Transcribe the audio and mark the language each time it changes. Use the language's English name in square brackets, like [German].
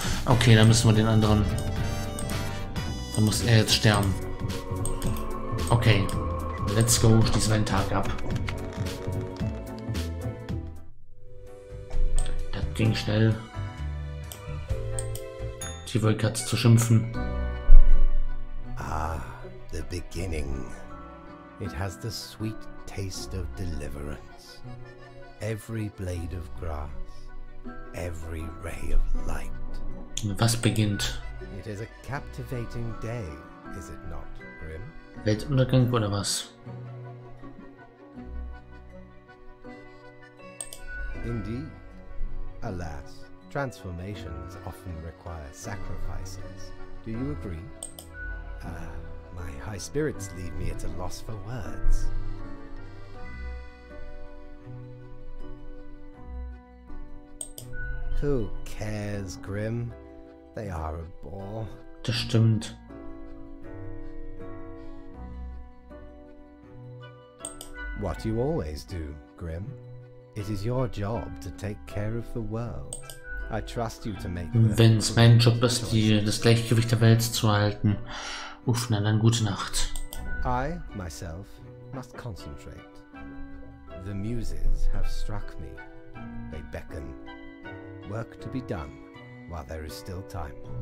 [German] Okay, dann müssen wir den anderen. Dann muss er jetzt sterben. Okay. [English] Let's go, [German] schließen wir den Tag ab. Das ging schnell. Die Wolke hat zu schimpfen. [English] Ah, the beginning. It has the sweet taste of deliverance. Every blade of grass, every ray of light. [German] Was beginnt? [English] It is a captivating day, is it not, Grim? [German] Weltuntergang oder was? [English] Indeed. Alas, transformations often require sacrifices. Do you agree? My high spirits leave me at a loss for words. Who cares, Grim? They are a bore. [German] Das stimmt. [English] What you always do, Grim. It is your job to take care of the world. I trust you to make. [German] Wenn es mein Job ist, das Gleichgewicht der Welt zu halten. Uff, na dann gute Nacht. [English] I myself must concentrate. The muses have struck me. They beckon. Work to be done while there is still time.